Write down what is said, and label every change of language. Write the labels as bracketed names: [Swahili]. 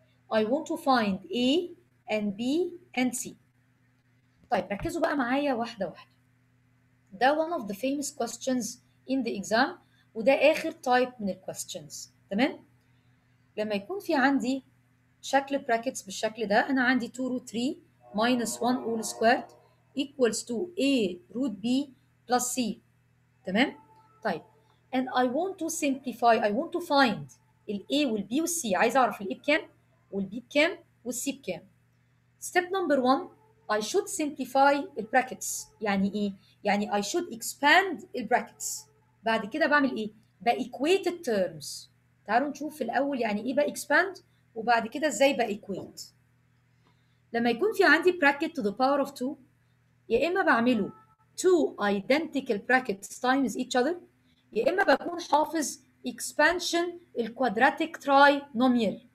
[English] I want to find A and B and C. [Arabic] طيب ركزوا بقى معايا واحدة واحدة. [English] ده one of the famous questions in the exam, [Arabic] وده آخر [English] type من questions. تمام؟ [Arabic] لما يكون في عندي شكل brackets بالشكل ده, أنا عندي [English] 2 root 3 minus 1 all squared equals to A root B plus C. تمام؟ طيب. And I want to simplify, I want to find ال A وال B وال C. [Arabic] عايز أعرف ال A بكام وال B بكام وال C بكام. [English] Step number one, I should simplify the brackets. [Arabic] يعني إيه؟ يعني [English] I should expand the brackets. [Arabic] بعد كده بعمل إيه؟ بإيكويت الترمز. تعالوا نشوف الأول يعني إيه بإيكسباند وبعد كده إزاي بإيكويت. لما يكون في عندي [English] bracket to the power of 2, [Arabic] يا إما بعمله [English] two identical brackets times each other, [Arabic] يا إما بكون حافظ [English] expansion quadratic trinomial.